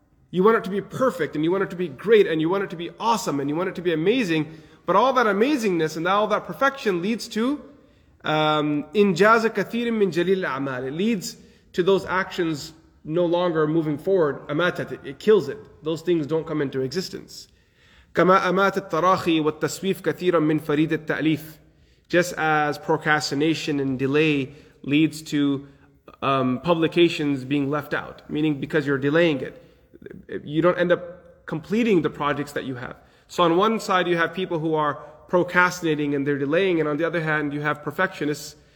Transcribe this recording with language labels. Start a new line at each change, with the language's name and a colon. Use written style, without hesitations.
English: You want it to be perfect, and you want it to be great, and you want it to be awesome, and you want it to be amazing. But all that amazingness and all that perfection leads to
Arabic: إِنْجَازَ كَثِيرٍ مِّن جَلِيلِ الْأَعْمَالِ.
English: It leads to those actions no longer moving forward.
Arabic: أَمَاتَتِ,
English: it kills it. Those things don't come into existence.
Arabic: كَمَا أَمَاتَ التَّرَاخِي وَالتَّسْوِيفِ كَثِيرًا مِّن فَرِيدِ التَّأْلِيفِ.
English: Just as procrastination and delay leads to publications being left out, meaning because you're delaying it, you don't end up completing the projects that you have. So on one side you have people who are procrastinating and they're delaying, and on the other hand you have perfectionists.